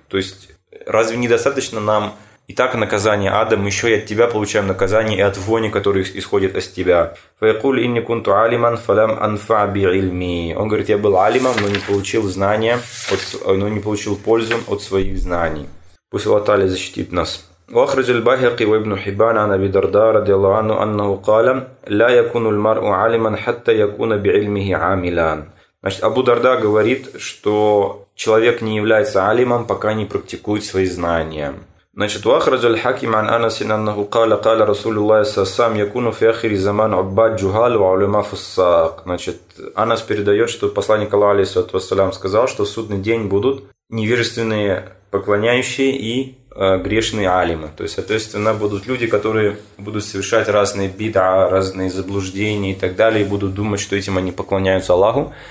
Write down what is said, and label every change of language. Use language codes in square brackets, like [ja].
[ru] То есть разве недостаточно нам и так наказание ада, мы еще и от тебя получаем наказание и от вони, которые исходят из тебя. [ar] Файкул инни кунту алиман фалам анфа би илми. [ru] Он говорит: я был алимом, но не получил знания, но не получил пользу от своих знаний. Пусть Аллах Тааля защитит нас. [ar] وأخرج البيهقي وابن حبان عن أبي الدرداء رضي الله عنه أنه قال لا يكون المرء عالما حتى يكون بعلمه عاملا. [ru] Значит, Абу Дарда говорит, что человек не является алимом, пока не практикует свои знания. [ar] Значит, وأخرج الحاكم عن أنس أنه قال قال رسول الله صلى الله عليه وسلم يكون في آخر الزمان عباد جهال وعلماء فساق. [ru] Значит, Анас передает, что посланник Аллаха алейхиссалям сказал, что в судный день будут невежественные поклоняющие и грешные алимы. То есть, соответственно, будут люди, которые будут совершать разные бид'а, разные заблуждения и так далее, и будут думать, что этим они поклоняются Аллаху.